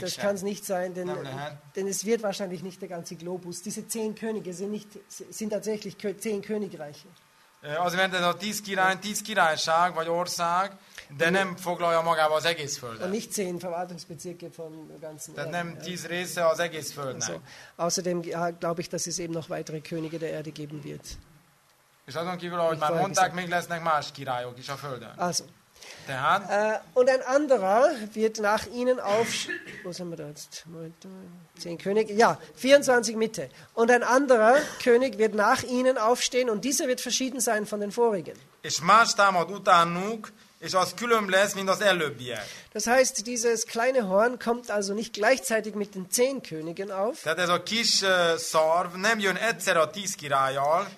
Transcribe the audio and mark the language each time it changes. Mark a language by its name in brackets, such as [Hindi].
[German] Das kann es nicht sein, denn es wird wahrscheinlich nicht der ganze Globus. Diese 10 Könige sind tatsächlich 10 Königreiche. [Hungarian] Az mert ez a 10 király, 10 királyság vagy ország, de nem foglalja magába az egész földet. [German] Nicht 10 Verwaltungsbezirke von ganzen. [Hungarian] Tehát nem 10 része az egész földnek. [German] So. Außerdem glaube ich, dass es eben noch weitere Könige der Erde geben wird. [Hungarian] És azon kívül, ahogy már mondták, még lesznek más királyok is a földön. [German] Also. [Hungarian] Tehát. [German] Und ein anderer wird nach ihnen wo sind wir da jetzt? Moment, 10 König, ja, 24 Mitte. Und ein anderer König wird nach ihnen aufstehen und dieser wird verschieden sein von den vorigen. [Hungarian] És más támad utánuk, és az külön lesz, mint az előbbiek. [German] Das heißt, dieses kleine Horn kommt also nicht gleichzeitig mit den 10 Königen auf. [Hungarian] Tehát ez a kis szarv nem jön egyszer a 10 királlyal.